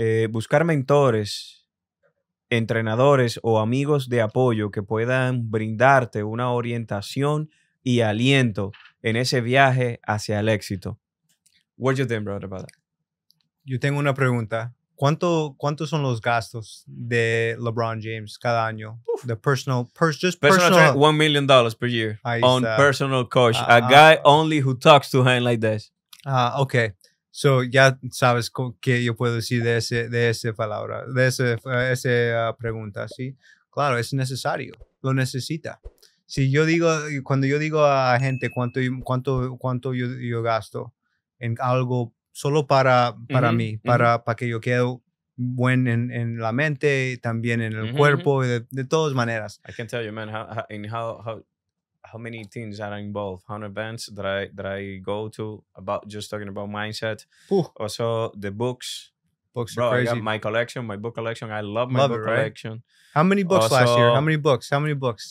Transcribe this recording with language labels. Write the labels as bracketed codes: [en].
[es] Buscar mentores, entrenadores o amigos de apoyo que puedan brindarte una orientación y aliento en ese viaje hacia el éxito. [en] What do you think, brother, about that? [es] Yo tengo una pregunta. ¿Cuántos son los gastos de LeBron James cada año? [en] Oof. The personal $1 million per year personal coach. A guy only who talks to him like this. Okay. [es] So ya sabes que yo puedo decir de esa pregunta, ¿sí? Claro, es necesario. Lo necesita. Si yo digo, cuando yo digo a gente cuánto yo gasto en algo solo para mm-hmm. mí, para que yo quede buen en la mente, también en el mm-hmm. cuerpo, de todas maneras. [en] I can tell you, man, how many things that I involve, how many events that I go to, about just talking about mindset. Ooh. Also, the books. Books are crazy. I got my book collection. I love my book collection. How many books also, last year? How many books?